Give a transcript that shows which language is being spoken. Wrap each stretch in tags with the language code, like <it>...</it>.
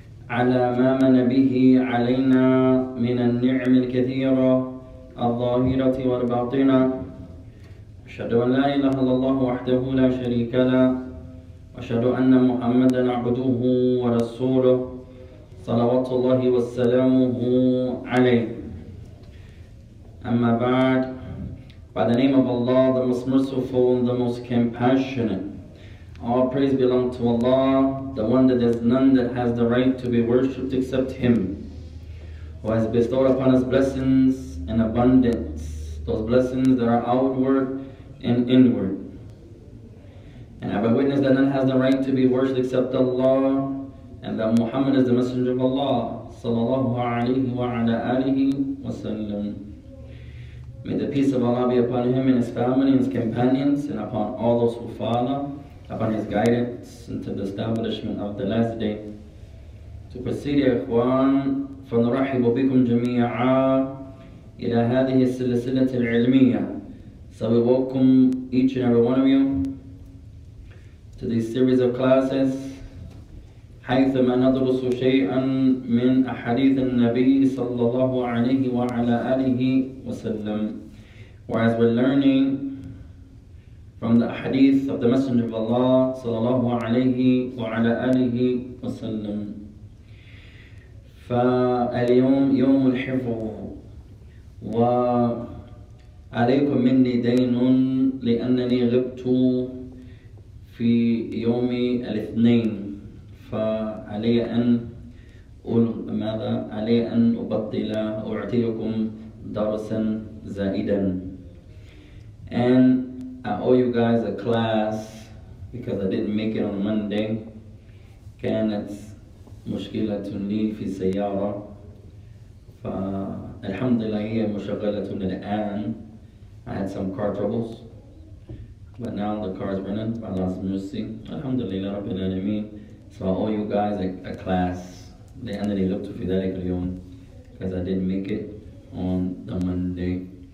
<ar>على ما من به علينا من النعم الكثيرة الظاهرة والباطنة أشهد أن لا إله إلا الله وحده لا شريك له وأشهد أن محمدا عبده ورسوله صلوات الله وسلامه عليه. أما بعد,</ar> <en>by the name of Allah, the most merciful and the most compassionate, all praise belong to Allah, the one that there's none that has the right to be worshipped except Him, who has bestowed upon us blessings in abundance, those blessings that are outward and inward. And I bear witness that none has the right to be worshipped except Allah, and that Muhammad is the Messenger of Allah, sallallahu alayhi wa ala alihi wa sallam. May the peace of Allah be upon him and his family and his companions, and upon all those who follow, upon his guidance until the establishment of the last day. To proceed,</en> <ar>ya ikhwan, فَنُرَحِبُ بِكُمْ جَمِيعًا إِلَى هَذِهِ السِّلَسِلَةِ الْعِلْمِيَّةِ.</ar> <en>So we welcome each and every one of you</en> <ar>to this series of classes, حيثما ندرس شيئا من أحاديث النبي صلى الله عليه وعلى آله وسلم.</ar> <en>Whereas we're learning from the hadith of the Messenger of Allah</en> <ar>صلى الله عليه وعلى آله وسلم. فاليوم يوم الحفظ وعليكم مني دين لأنني غبت في يوم الاثنين. فعلي أن أقول ماذا؟ علي أن أبطل أعطيكم درسا زائدا.</ar> <en>And I owe you guys a class because I didn't make it on Monday.</en> <ar>كانت مشكلة لي في السيارة. فالحمد لله هي مشغلة الآن.</ar> <en>I had some car troubles, but now the car is running by Allah's mercy.</en> <ar>الحمد لله رب العالمين.</ar> <en>So I owe you guys a class. They only looked to Fidelic Leon because I didn't make it on the Monday.</en>